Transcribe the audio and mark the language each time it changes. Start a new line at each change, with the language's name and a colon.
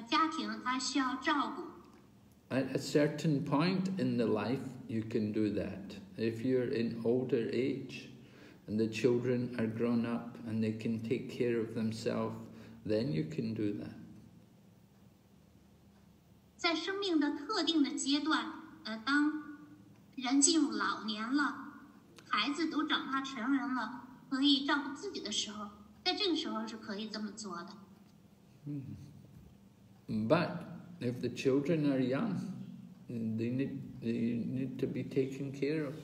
Chinese: 他有自己的妻子和家庭，他需要照顾。
English: At a certain point in the life, you can do that. If you're in older age, and the children are grown up, and they can take care of themselves, then you can do that.
Chinese: 在生命的特定的阶段，当人进入老年了，孩子都长大成人了，可以照顾自己的时候，在这个时候是可以这么做的。
English: But if the children are young, they need to be taken care of.